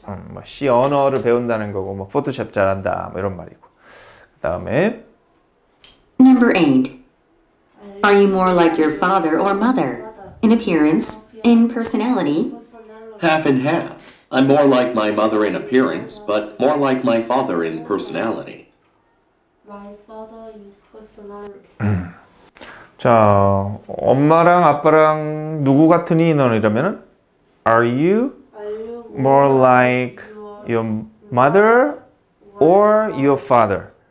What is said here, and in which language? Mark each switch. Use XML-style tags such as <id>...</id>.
<ko>뭐 C 언어를 배운다는 거고 뭐 포토샵 잘한다 뭐 이런 말이고. 그다음에</ko> <en>Number 8. Are you more like your father or mother in appearance, in personality? Half and half. I'm more like my mother in appearance, but more like my father in personality. My father in personality.</en> <ko>자, 엄마랑 아빠랑 누구 같으니 너는 이러면은</ko> <en>Are you more like your mother or your father?</en>